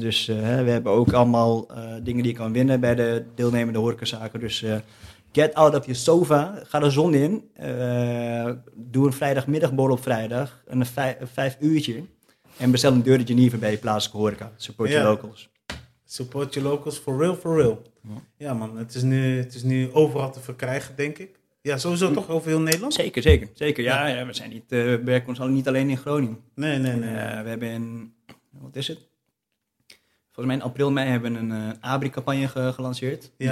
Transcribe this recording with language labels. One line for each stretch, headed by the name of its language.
Dutch: Dus we hebben ook allemaal dingen die je kan winnen bij de deelnemende horecazaken. Dus
English: get out of your sofa,
Dutch: ga de zon in, doe een vrijdagmiddagborrel op vrijdag, een vijf uurtje, en bestel een deurtje Geneva bij je plaatselijke horeca.
English: Support your locals. Support your locals, for real, for real.
Dutch: Ja man, het is nu overal te verkrijgen, denk ik. Ja, sowieso toch over heel Nederland? Zeker. Ja, we zijn niet, werken ons niet alleen in Groningen. Nee. We hebben in, wat is het? Volgens mij in april, mei hebben we een Abri-campagne gelanceerd. Ja.